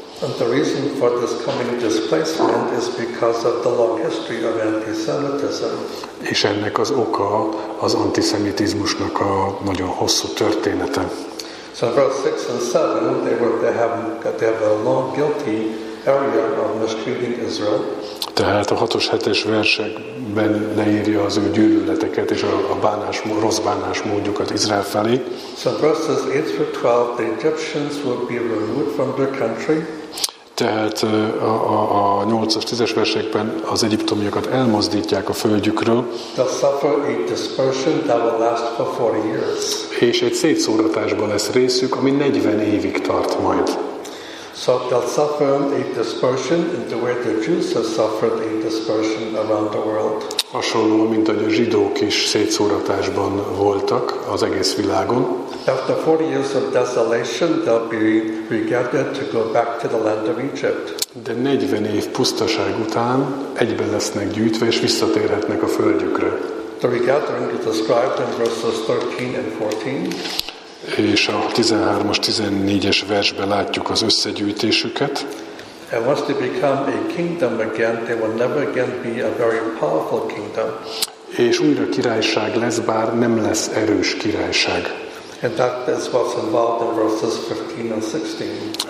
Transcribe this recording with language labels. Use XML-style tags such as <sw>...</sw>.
<en>And the reason for this coming displacement is because of the long history of antisemitism.</en> <hu>És ennek az oka az antiszemitizmusnak a nagyon hosszú története.</hu> <en>So verse 6 and 7, they have a long guilty area of mistreating Israel.</en> <hu>Tehát a 6-os, 7-es versekben leírja az ő gyűlöleteket és a bánás, rossz bánás módjukat Izrael felé.</hu> <en>So verses 8 through 12, the Egyptians will be removed from their country.</en> <hu>Tehát a 8-as, 10-es versekben az egyiptomiakat elmozdítják a földjükről.</hu> <en>They'll suffer a dispersion that will last for 40 years.</en> <hu>És egy szétszóratásban lesz részük, ami 40 évig tart majd.</hu> <en>So they'll suffer a dispersion in the way the Jews have suffered a dispersion around the world.</en> <hu>Hasonló, mint hogy a zsidók is szétszóratásban voltak az egész világon.</hu> <en>After 40 years of desolation, they'll be regathered to go back to the land of Egypt.</en> <hu>De 40 év pusztaság után egyben lesznek gyűjtve és visszatérhetnek a földjükre.</hu> <en>The regathering is described in verses 13 and 14.</en> <hu>És a 13-as, 14-es versben látjuk az összegyűjtésüket.</hu> <en>And once they become a kingdom again, they will never again be a very powerful kingdom.</en> <hu>És újra királyság lesz, bár nem lesz erős királyság.</hu> <en>And that is what's involved in verses 15 and 16.</en>